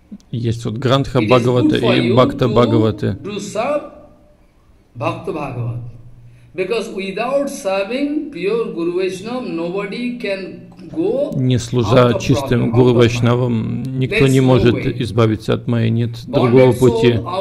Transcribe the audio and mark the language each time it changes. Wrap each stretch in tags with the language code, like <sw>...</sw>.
<ru>Есть вот Грандха Бхагавата и Бхакта Бхагавата.</ru> <en>To serve Bhakta Bhagavat. Because without serving pure Guru Vaishnav, nobody can go.</en> <ru>Не служа чистым Гуру Вайшнавам, никто не может избавиться от Майи, нет другого пути.</ru>